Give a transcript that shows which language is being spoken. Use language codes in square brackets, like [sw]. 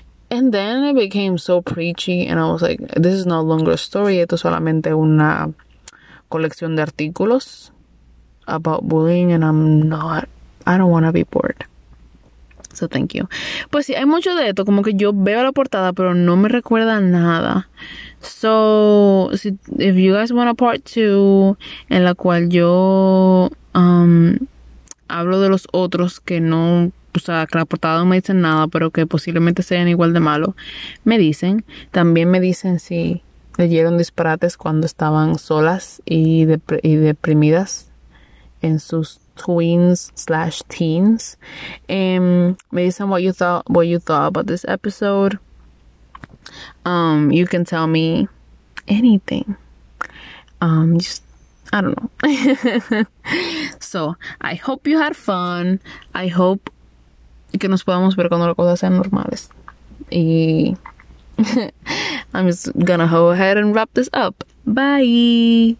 [en] And then it became so preachy and I was like, this is no longer a story, [es] esto es solamente una colección de artículos [en] about bullying and I don't want to be bored. So thank you. [es] Pues sí, hay mucho de esto, como que yo veo la portada pero no me recuerda nada. [en] So if you guys want a part 2 [es] en la cual yo hablo de los otros que no, o sea, que la portada no me dicen nada pero que posiblemente sean igual de malo, me dicen. También me dicen si leyeron disparates cuando estaban solas y deprimidas en sus tweens/teens. Me dicen [en] what you thought about this episode. You can tell me anything. I don't know. So, I hope you had fun. I hope [es] que nos podamos ver cuando las cosas sean normales. Y... [en] I'm just gonna go ahead and wrap this up. Bye!